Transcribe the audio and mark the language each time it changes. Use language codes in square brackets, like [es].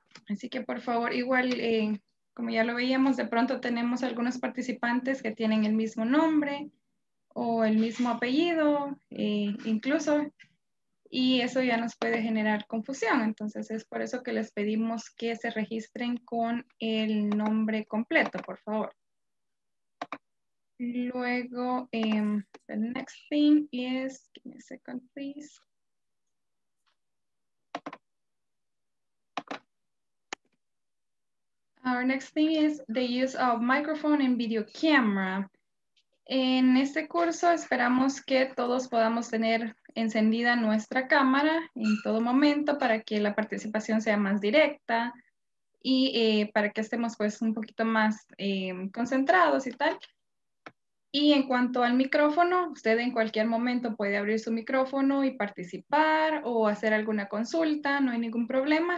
[es] Así que por favor, igual, como ya lo veíamos, de pronto tenemos algunos participantes que tienen el mismo nombre o el mismo apellido, incluso, y eso ya nos puede generar confusión. Entonces es por eso que les pedimos que se registren con el nombre completo, por favor. Luego, [en] the next thing is, give me a second, please. Our next thing is the use of microphone and video camera. [es] En este curso esperamos que todos podamos tener encendida nuestra cámara en todo momento para que la participación sea más directa y para que estemos pues un poquito más concentrados y tal. Y en cuanto al micrófono, usted en cualquier momento puede abrir su micrófono y participar o hacer alguna consulta, no hay ningún problema.